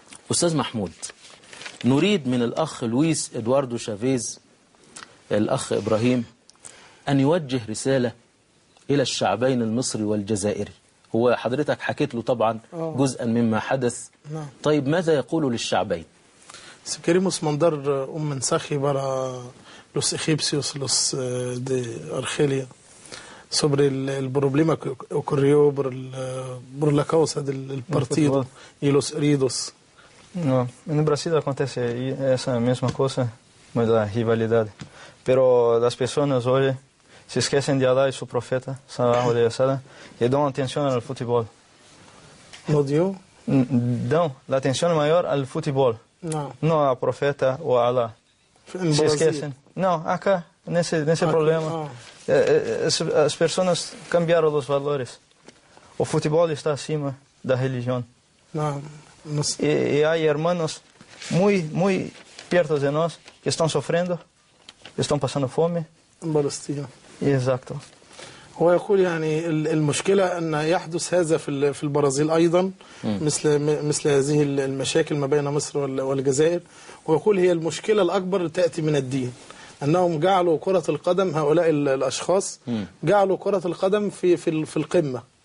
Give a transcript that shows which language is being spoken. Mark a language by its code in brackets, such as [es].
[ar] أستاذ محمود، نريد من الأخ لويس إدواردو شافيز، الأخ إبراهيم، أن يوجه رسالة إلى الشعبين المصري والجزائري. هو حضرتك حكيت له طبعا جزءا مما حدث، طيب ماذا يقول للشعبين؟ سكريموس مندر أم من سخي برا لوس إخيبسيوس لوس دي أرخيليا [es] sobre el problema que ocurrió por la causa del partido y los heridos. No, en Brasil acontece esa misma cosa, la rivalidad. Pero las personas hoy se esquecen de Allah y su profeta, [ar] salallahu alayhi wa sallam, [es] y dan atención al fútbol. ¿No dio? Dan la atención mayor al fútbol. No. No al profeta o a Allah. En Brasil. Se esquecen. No, acá, en ese problema. Las personas cambiaron los valores. El fútbol está encima de la religión. No. Y hay hermanos muy, muy cerca de nosotros que están sufriendo, que están pasando fome. En Palestina. Exacto. [ar] ويقول يعني المشكلة أن يحدث هذا في البرازيل أيضا مثل هذه المشاكل ما بين مصر والجزائر. ويقول هي المشكلة الأكبر تأتي من الدين، أنهم جعلوا كرة القدم، هؤلاء الأشخاص جعلوا كرة القدم في القمة،